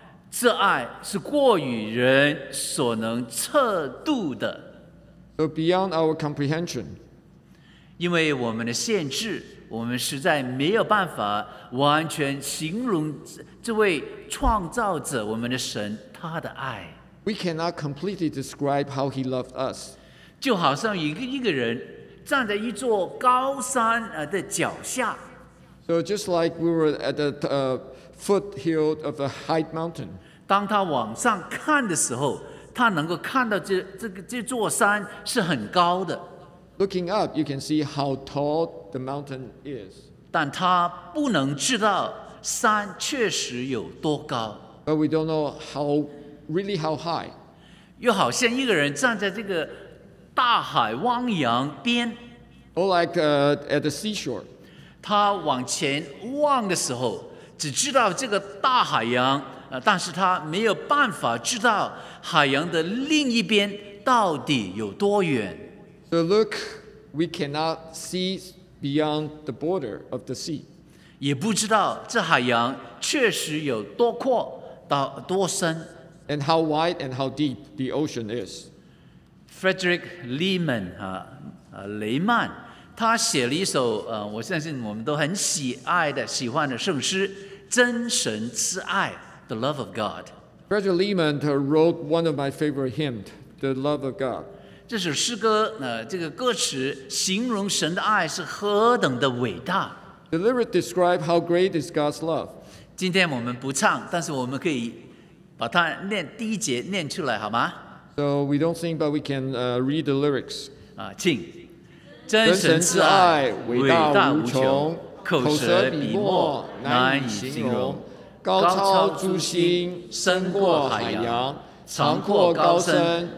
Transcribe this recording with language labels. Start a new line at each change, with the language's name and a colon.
Chinese: 这爱是过于人所能测度的。
English: So beyond our comprehension.
Chinese: 因为我们的限制，我们实在没有办法完全形容这位创造者，我们的神，他的爱。
English: We cannot completely describe how he loved us.
Chinese: 就好像一个人站在一座高山的脚下。
English: So just like we were at the foothill of a high mountain.
Chinese: 当他往上看的时候，他能够看到这座山是很高的。
English: Looking up, you can see how tall the mountain is.
Chinese: 但他不能知道山确实有多高。
English: But we don't know how high.
Chinese: 又好像一个人站在这个大海汪洋边。
English: Or like at the seashore.
Chinese: 他往前望的时候，只知道这个大海洋，但是他没有办法知道海洋的另一边到底有多远。
English: So look, we cannot see beyond the border of the sea.
Chinese: 也不知道这海洋确实有多阔到多深。
English: And how wide and how deep the ocean is.
Chinese: Frederick Lehman, 雷曼，他写了一首我相信我们都很喜欢的圣诗。真神之爱
English: The love of God. Frederick Lehman wrote one of my favorite hymns, The love of God.
Chinese: 这首诗歌这个歌词形容神的爱是何等的伟大。
English: The lyrics describe how great is God's love.
Chinese: 今天我们不唱，但是我们可以把它念第一节念出来好吗？
English: So we don't sing, but we can read the lyrics.
Chinese: 请。真神之爱伟大无穷，口舌笔墨难以形容，高超诸星深过海洋，长阔高深